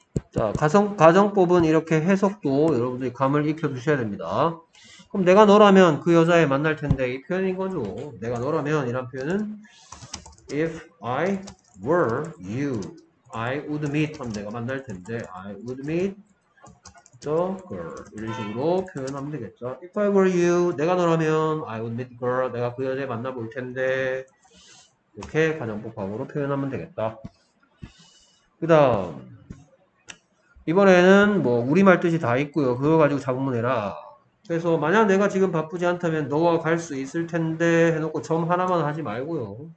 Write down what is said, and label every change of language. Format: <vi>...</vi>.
<ko>자, 가정법은 이렇게 해석도 여러분들이 감을 익혀 주셔야 됩니다. 그럼 내가 너라면 그 여자애 만날 텐데 이 표현인 거죠. 내가 너라면 이란 표현은</ko> <en>if I were you, I would meet</en> <ko>하면 내가 만날 텐데,</ko> <en>I would meet girl.</en> <ko>이런 식으로 표현하면 되겠죠.</ko> <en>If I were you, 내가 너라면 I would meet girl.</en> <ko>내가 그 여자 만나볼 텐데. 이렇게 가정법으로 표현하면 되겠다. 그 다음 이번에는 뭐 우리말 뜻이 다 있고요. 그거 가지고 작문 해라. 그래서 만약 내가 지금 바쁘지 않다면 너와 갈수 있을 텐데 해놓고 점 하나만 하지 말고요.</ko>